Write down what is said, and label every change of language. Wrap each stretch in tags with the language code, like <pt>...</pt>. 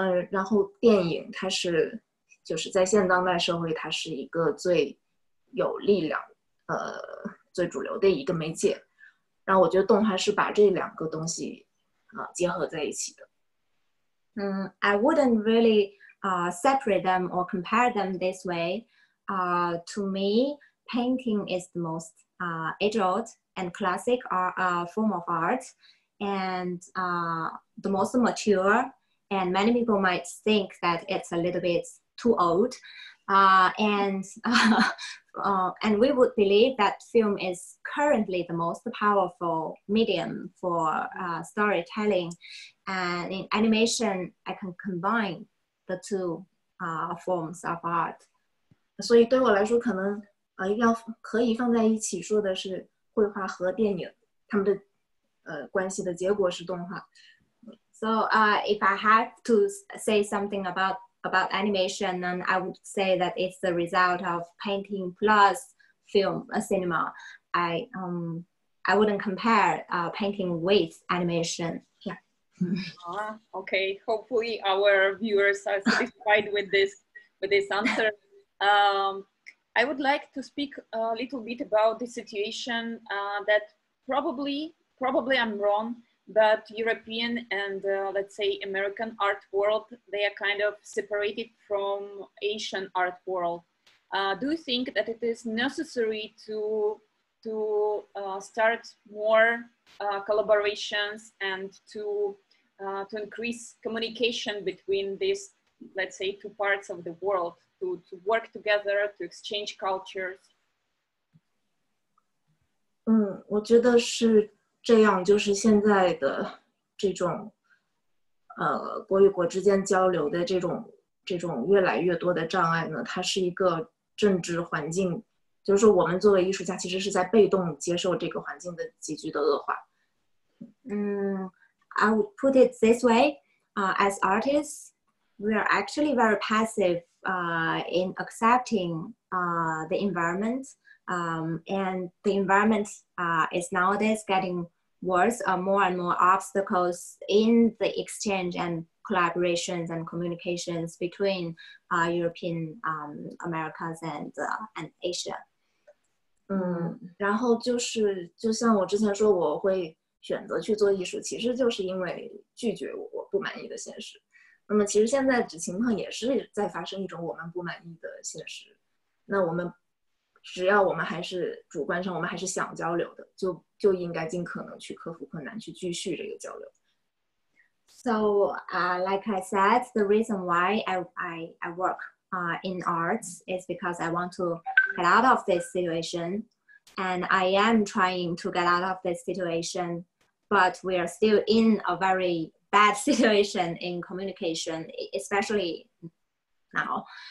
<zh>然后电影它是就是在现当代社会它是一个最有力量最主流的一个媒介，然后我觉得动画是把这两个东西结合在一起的。</zh> <en>I wouldn't really separate them or compare them this way. To me, painting is the most age-old and classic form of art, and the most matureAnd many people might think that it's a little bit too old. And we would believe that film is currently the most powerful medium for storytelling. And in animation, I can combine the two forms of art.</en> <zh>所以对我来说可能要可以放在一起说的是绘画和电影，他们的关系的结果是动画。</zh> <en>So if I have to say something about animation, then I would say that it's the result of painting plus film, a cinema. I wouldn't compare painting with animation. Yeah. Okay. Hopefully our viewers are satisfied with this answer. I would like to speak a little bit about the situation that probably I'm wrong, but European and let's say American art world, they are kind of separated from Asian art world. Do you think that it is necessary to start more collaborations and to increase communication between these, let's say, two parts of the world, to work together, to exchange cultures?</en> <zh>我觉得是这样，就是现在的这种国与国之间交流的这种越来越多的障碍呢，它是一个政治环境，就是说我们作为艺术家其实是在被动接受这个环境的急剧的恶化。</zh> <en>I would put it this way, as artists, we are actually very passive in accepting the environment, and the environment is nowadays getting worse, more and more obstacles in the exchange and collaborations and communications between European, Americas and Asia.</en> <zh>然后就是就像我之前说我会选择去做艺术，其实就是因为拒绝我不满意的现实。那么其实现在的情况也是在发生一种我们不满意的现实。那我们只要我们还是主观上我们还是想交流的，就应该尽可能去克服困难，去继续这个交流。</zh> <en>So, like I said, the reason why I work in arts is because I want to get out of this situation. And I am trying to get out of this situation, but we are still in a very bad situation in communication, especially now.</en>